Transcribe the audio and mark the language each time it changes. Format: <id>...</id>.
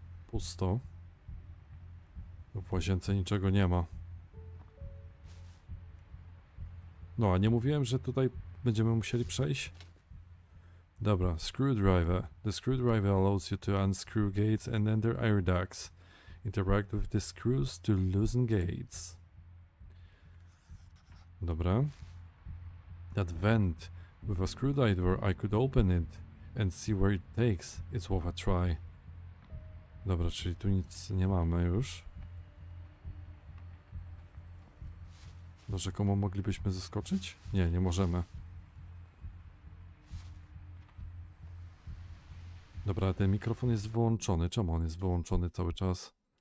<pl>Pusto. W łazience niczego nie ma. No, a nie mówiłem, że tutaj będziemy musieli przejść? Dobra, screwdriver.</pl> <en>The screwdriver allows you to unscrew gates and enter air ducts. Interact with the screws to loosen gates. Dobra. That vent. With a screwdriver I could open it and see where it takes. It's worth a try.</en> <pl>Dobra, czyli tu nic nie mamy już. No rzekomo moglibyśmy zaskoczyć? Nie, nie możemy. Dobra, ten mikrofon jest wyłączony. Czemu on jest wyłączony cały czas?</pl>